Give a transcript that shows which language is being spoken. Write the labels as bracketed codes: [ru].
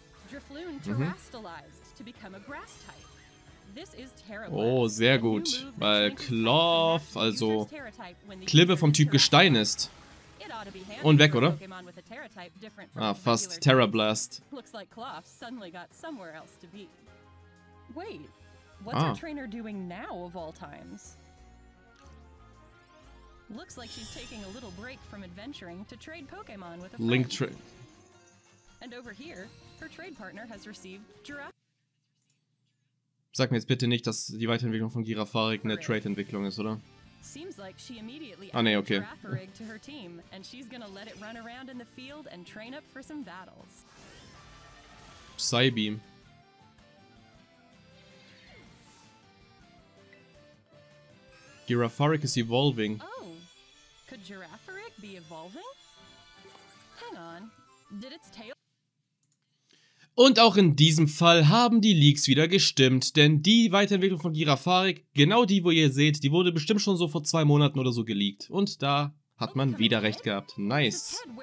[en] Drifloon terrastalized to become a grass type. This is terrible. [de] Oh, sehr gut, weil Claw, also Klippe vom Typ Gestein ist. Und weg, oder? Ah, fast Terra Blast. [en] Looks like Claw suddenly got somewhere else to be. Wait, what's our trainer doing now of all times? Looks like she's taking a little break from adventuring to trade Pokémon with a Link friend. And over here, her trade partner has received Giraffe. [de] Sag mir jetzt bitte nicht, dass die Weiterentwicklung von Girafarig eine Trade-Entwicklung ist, oder? [en] Seems like she immediately added Girafarig to her team and she's gonna let it run around in the field and train up for some battles. Psybeam. Girafarig is evolving. Oh, could Girafarig be evolving? Hang on, did its tail... [de] Und auch in diesem Fall haben die Leaks wieder gestimmt, denn die Weiterentwicklung von Girafarig, genau die, wo ihr seht, die wurde bestimmt schon so vor 2 Monaten oder so geleakt. Und da hat man wieder recht gehabt. Nice.